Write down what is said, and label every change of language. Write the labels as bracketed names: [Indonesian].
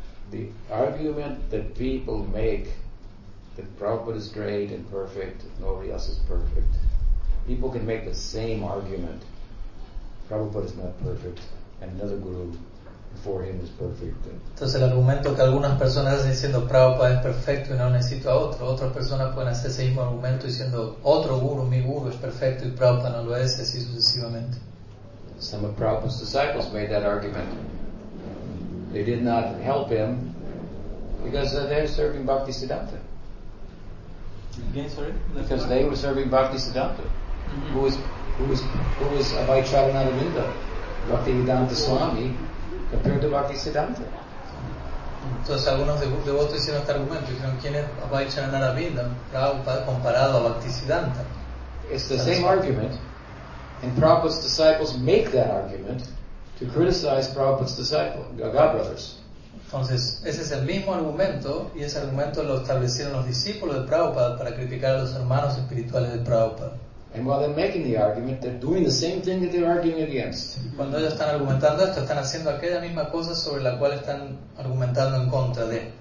[English] The argument that people make that Prabhupada is great and perfect, nobody else is perfect. People can make the same argument. Prabhupada is not perfect, and another guru before him is perfect. [Spanish] Entonces, el argumento que algunas personas hacen diciendo Prabhupada es perfecto y no necesito a otro, otras personas pueden hacer ese mismo argumento diciendo otro guru, mi guru es perfecto y Prabhupada no lo es, así sucesivamente. [English] Some of Prabhupada's disciples made that argument. They did not help him because they're serving Bhakti Siddhanta. Again, sorry? Because they were serving Bhakti Siddhanta. Mm-hmm. Who is Abhay Charanaravinda, Bhakti Vedanta Swami, compared to Bhakti Siddhanta. [Spanish] Entonces algunos devotos hicieron este argumento, dijeron, ¿quién es Abhay Charanaravinda, Prabhupada, comparado a Bhakti Siddhanta? [English] It's the same argument, and Prabhupada's disciples make that argument to criticize Prabhupada's disciples, Gaga brothers. [Spanish] Entonces, ese es el mismo argumento, y ese argumento lo establecieron los discípulos de Prabhupada para criticar a los hermanos espirituales de Prabhupada. [English] And while they're making the argument, they're doing the same thing that they're arguing against. [Spanish] Cuando ellos están argumentando esto, están haciendo aquella misma cosa sobre la cual están argumentando en contra de.